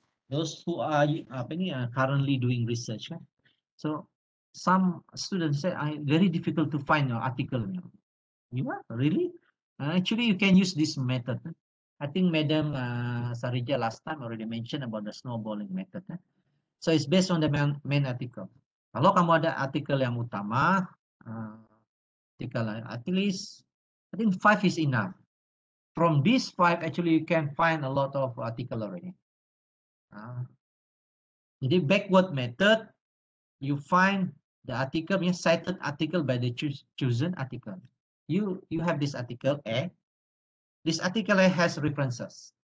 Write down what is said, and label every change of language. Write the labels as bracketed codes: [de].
[en] Those who are currently doing research. So some students said very difficult to find your article. You are really? Actually, you can use this method. I think Madam Sarija last time already mentioned about the snowballing method. So it's based on the main article. [ms] Kalau kamu ada artikel yang utama. [en] Artikel, at least I think 5 is enough. From these 5, actually you can find a lot of article already. The backward method, you find the article, means cited article by the chosen article. You have this article A. This article A has references.